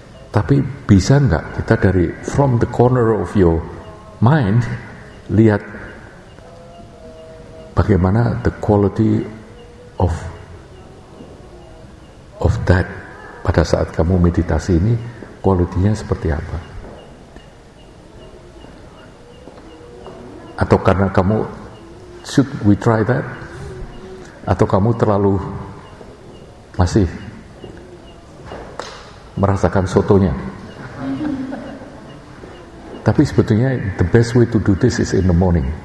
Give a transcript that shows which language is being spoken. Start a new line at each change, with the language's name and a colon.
Indonesian: Tapi bisa enggak kita dari
English: from the corner of your mind
Indonesian: lihat bagaimana
English: the quality of that
Indonesian: pada saat kamu meditasi ini, kualitinya seperti apa? Atau karena kamu,
English: should we try that?
Indonesian: Atau kamu terlalu masih merasakan sotonya? Tapi sebetulnya
English: the best way to do this is in the morning.